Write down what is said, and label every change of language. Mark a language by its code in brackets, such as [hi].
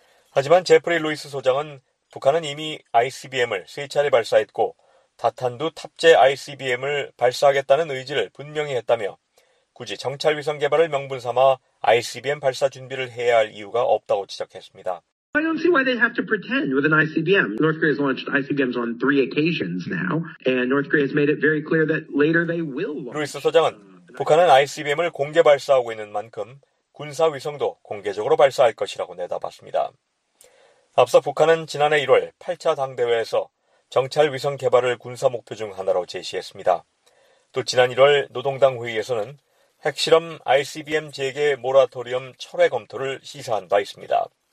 [ko] 하지만 제프리 루이스 소장은 북한은 이미 ICBM을 3차례 발사했고 다탄두 탑재 ICBM을 발사하겠다는 의지를 분명히 했다며 굳이 정찰위성 개발을 명분 삼아 ICBM 발사 준비를 해야 할 이유가 없다고 지적했습니다. [en] I don't see why they have to pretend with an ICBM. North Korea has launched ICBMs on three occasions now, and North Korea has made it very clear that later they will. [ko] 루이스 소장은 북한은 ICBM을 공개 발사하고 있는 만큼 군사 위성도 공개적으로 발사할 것이라고 내다봤습니다. 앞서 북한은 지난해 1월 8차 당대회에서 정찰 위성 개발을 군사 목표 중 하나로 제시했습니다. 또 지난 1월 노동당 회의에서는 핵실험 ICBM 재개 모라토리엄 철회 검토를 시사한 바 있습니다.